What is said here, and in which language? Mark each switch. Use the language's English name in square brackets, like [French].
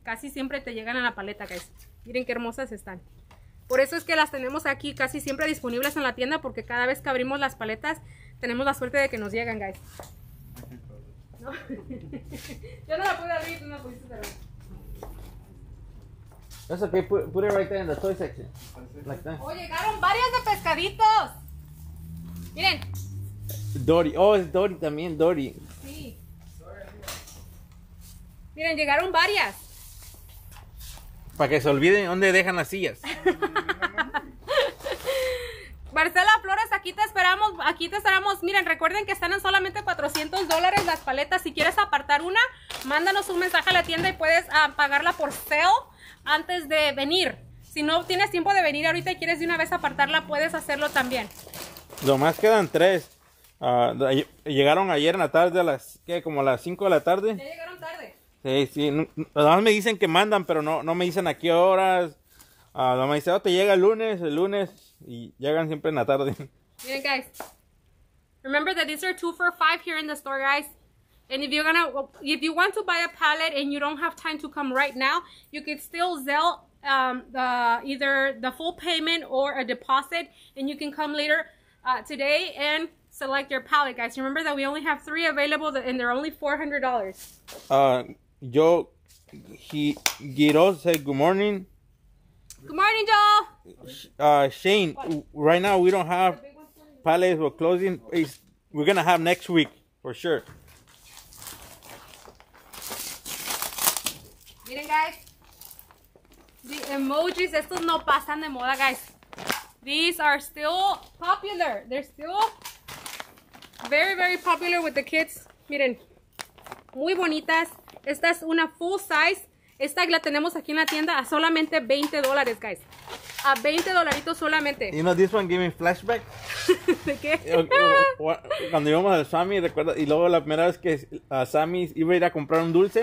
[Spanish] Casi siempre te llegan a la paleta, guys. Miren qué hermosas están. Por eso es que las tenemos aquí casi siempre disponibles en la tienda, porque cada vez que abrimos las paletas, tenemos la suerte de que nos llegan, guys. ¿No? Yo no la pude abrir, tú no pudiste cerrar. [English] That's okay, put it right there in the toy section. Like that. [Spanish] ¡Oh, llegaron varias de pescaditos! Miren. Dory, oh, es Dory también, Dory. Miren, llegaron varias. Para que se olviden dónde dejan las sillas. Marcela Flores, aquí te esperamos. Miren, recuerden que están en solamente $400 las paletas. Si quieres apartar una, mándanos un mensaje a la tienda y puedes pagarla por sale antes de venir. Si no tienes tiempo de venir ahorita y quieres de una vez apartarla, puedes hacerlo también. Nomás quedan tres. Llegaron ayer en la tarde a las, ¿qué? Como a las 5 de la tarde. Ya llegaron tarde. Sí, nada más me dicen que mandan, pero no me dicen a qué horas. No me dicen, te llega el lunes, y llegan siempre en la tarde. [English] Miren, guys, remember that these are 2 for $5 here in the store, guys. And if you want to buy a pallet and you don't have time to come right now, you can still sell either the full payment or a deposit, and you can come later today and select your pallet, guys. Remember that we only have 3 available, and they're only $400. Giroz said good morning. Good morning, Joel. Shane, what? Right now we don't have pallets for closing. We're going to have next week for sure. [Spanish] Miren, guys. The emojis, estos no pasan de moda, guys. [English] These are still popular. They're still very, very popular with the kids. [Spanish] Miren, muy bonitas. Esta es una full size. Esta la tenemos aquí en la tienda a solamente $20, guys. A $20 solamente. [English] You know, this one gave me flashback. [Spanish] ¿De qué? Cuando íbamos al Sammy, recuerda, y luego la primera vez que Sammy iba a ir a comprar un dulce.